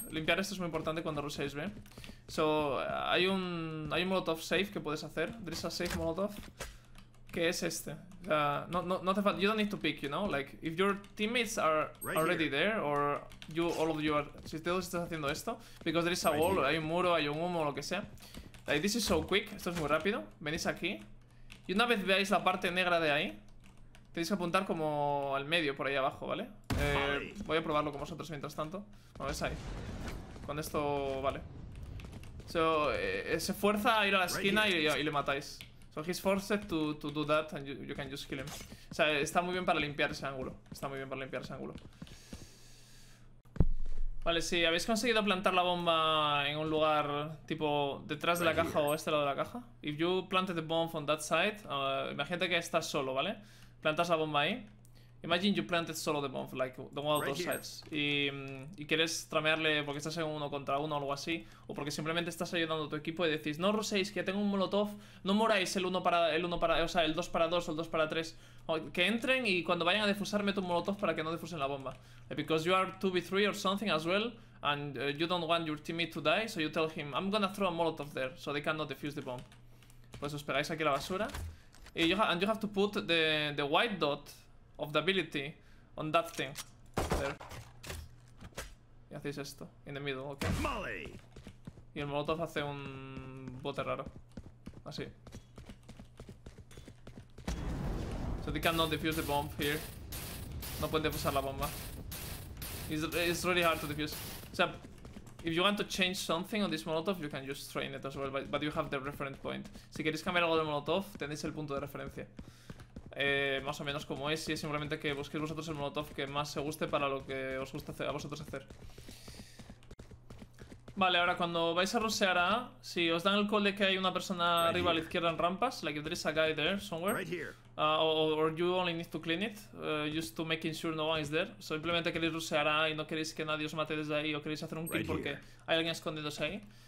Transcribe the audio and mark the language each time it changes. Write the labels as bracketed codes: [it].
[es] Limpiar esto es muy importante cuando ruseáis B. So, hay un Molotov safe que puedes hacer. [en] There is a safe Molotov. [es] Que es este. [en] You don't need to pick, you know? Like, if your teammates are already there, or you, all of you are. [es] Si todos estás haciendo esto, [en] because there is a wall, [es] hay un muro, hay un humo, o lo que sea. [en] Like, this is so quick. [es] Esto es muy rápido. Venís aquí. Y una vez veáis la parte negra de ahí, tenéis que apuntar como al medio, por ahí abajo, ¿vale? Voy a probarlo con vosotros mientras tanto. Bueno, es ahí. Con esto, vale. So, se fuerza a ir a la esquina y le matáis. [en] So he's forced to do that and you can just kill him. [es] O sea, está muy bien para limpiar ese ángulo. Está muy bien para limpiar ese ángulo. Vale, si habéis conseguido plantar la bomba en un lugar tipo detrás de la caja o este lado de la caja. [en] If you planted the bomb on that side, [es] imagínate que estás solo, ¿vale? Plantas la bomba ahí. [en] Imagine you planted solo the bomb, like the one of those sides. [es] Y quieres tramearle porque estás en uno contra uno o algo así. O porque simplemente estás ayudando a tu equipo y decís, no ruséis, que ya tengo un molotov. No moráis el 2 para 2 o el 2 para 3. Que entren y cuando vayan a defusar, meto un molotov para que no defusen la bomba. [en] Because you are 2v3 or something as well, and you don't want your teammate to die, so you tell him, I'm gonna throw a molotov there, so they cannot defuse the bomb. [es] Pues os pegáis aquí la basura. [en] And you have to put the white dot of the ability on that thing. There. [es] Y hacéis esto. [en] In the middle, okay. Molly. [es] Y el molotov hace un bote raro. Así. [en] So they cannot defuse the bomb here. [es] No pueden defusar la bomba. [en] It's really hard to defuse. [es] O sea, [en] if you want to change something on this molotov, you can just train it as well, but you have the reference point. [es] Si queréis cambiar algo del molotov, tenéis el punto de referencia. Más o menos como es, y es simplemente que busquéis vosotros el molotov que más se guste para lo que os gusta hacer, a vosotros hacer. Vale, ahora cuando vais a rusear A, si os dan el call de que hay una persona arriba a la izquierda en rampas, [en] like if there is a guy there somewhere, or you only need to clean it, just to making sure no one is there, [es] so simplemente queréis rusear A y no queréis que nadie os mate desde ahí o queréis hacer un kill porque hay alguien escondiéndose ahí.